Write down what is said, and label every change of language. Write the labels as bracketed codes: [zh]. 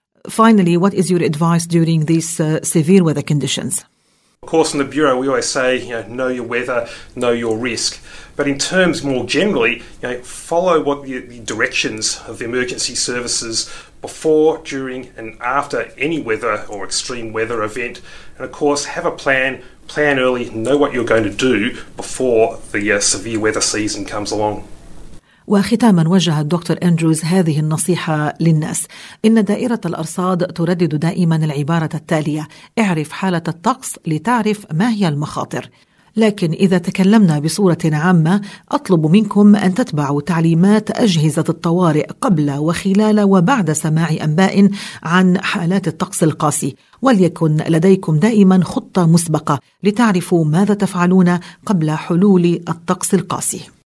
[en] Finally, what is your advice during these severe weather conditions? Of course, in the Bureau, we always say, know your weather, know your risk. But in terms more generally, follow what the directions of the emergency services before, during and after any weather or extreme weather event. And of course, have a plan, plan early, know what you're going to do before the severe weather season comes along. [ar] وختاما وجه الدكتور أندروز هذه النصيحة للناس إن دائرة الأرصاد تردد دائما العبارة التالية اعرف حالة الطقس لتعرف ما هي المخاطر لكن إذا تكلمنا بصورة عامة أطلب منكم أن تتبعوا تعليمات أجهزة الطوارئ قبل وخلال وبعد سماع أنباء عن حالات الطقس القاسي وليكن لديكم دائما خطة مسبقة لتعرفوا ماذا تفعلون قبل حلول الطقس القاسي